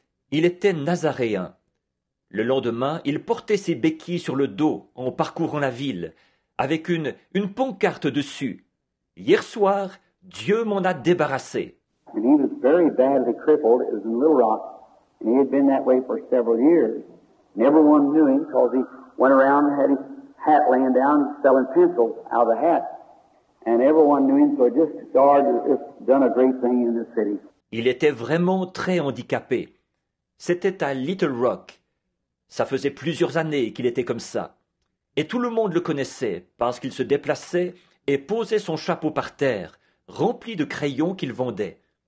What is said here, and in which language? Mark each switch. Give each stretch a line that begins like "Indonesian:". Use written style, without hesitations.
French: Il était nazaréen. Le lendemain, il portait ses béquilles sur le dos en parcourant la ville, avec une pancarte dessus. Hier soir, Dieu m'en a débarrassé.
English: And he was very badly crippled. It was in Little Rock. And he had been that way for several years. And everyone knew him because he went around and had his hat laying down and selling pencils out of the hat. And everyone knew him, so just God has done a great thing in this city.
French: Il était vraiment très handicapé. C'était à Little Rock. Ça faisait plusieurs années qu'il était comme ça. Et tout le monde le connaissait parce qu'il se déplaçait et posait son chapeau par terre, rempli de crayons qu'il vendait.